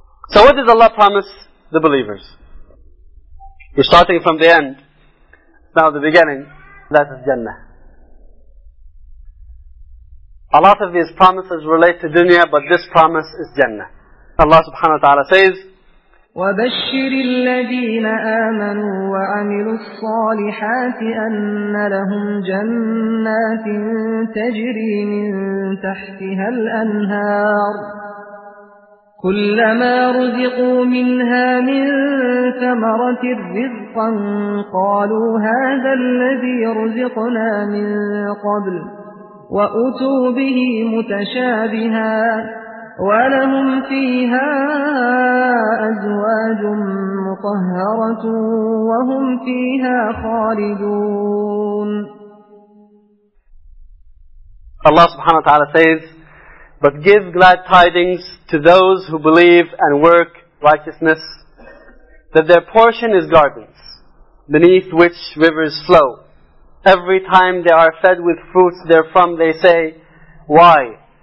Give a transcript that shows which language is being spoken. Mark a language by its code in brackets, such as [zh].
[en] So what does Allah promise the believers? We're starting from the end. Now the beginning, that is Jannah. A lot of these promises relate to dunya, but this promise is Jannah. Allah subhanahu wa ta'ala says, [ar] وَبَشِّرِ الَّذِينَ آمَنُوا وَعَمِلُوا الصَّالِحَاتِ أَنَّ لَهُمْ جَنَّاتٍ تَجْرِي مِنْ تَحْتِهَا الْأَنْهَارُ كلما رزقوا منها من ثمرة رزقا قالوا هذا الذي رزقنا من قبل وأتوا به متشابها ولهم فيها أزواج مطهرة وهم فيها خالدون. [en] الله سبحانه وتعالى says, but give glad tidings to those who believe and work righteousness, that their portion is gardens, beneath which rivers flow. Every time they are fed with fruits therefrom, they say, why?